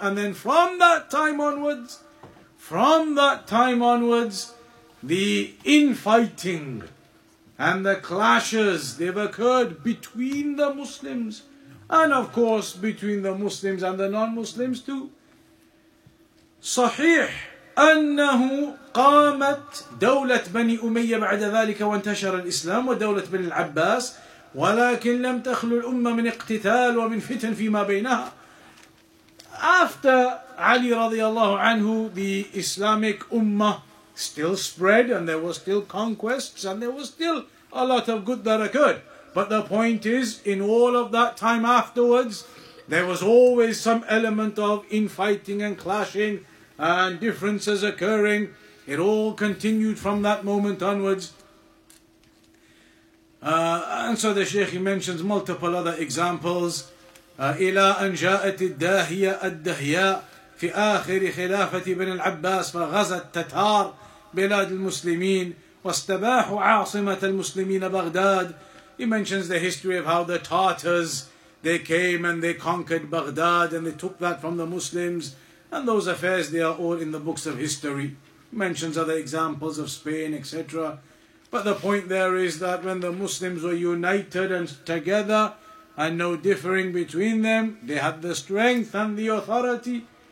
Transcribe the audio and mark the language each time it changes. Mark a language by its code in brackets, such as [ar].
[en] And then from that time onwards, the infighting and the clashes, they've occurred between the Muslims, and of course between the Muslims and the non-Muslims too. [ar] صحيح أنه قامت دولة بني أمية بعد ذلك وانتشر الإسلام ودولة بني العباس ولكن لم تخلو الأمة من اقتتال ومن فتن فيما بينها. [en] After Ali radiallahu anhu, the Islamic Ummah still spread and there were still conquests and there was still a lot of good that occurred. But the point is, in all of that time afterwards, there was always some element of infighting and clashing and differences occurring. It all continued from that moment onwards. And so the Shaykh mentions multiple other examples. [ar] إلى أن جاءت الداهية الدهياء في آخر خلافة بن العباس فغزى التتار بلاد المسلمين واستباحوا عاصمة المسلمين بغداد. [en] He mentions the history of how the Tartars, they came and they conquered Baghdad and they took that from the Muslims. And those affairs, they are all in the books of history. He mentions other examples of Spain, etc. But the point there is that when the Muslims were united and together and no differing between them, they had the strength and the authority.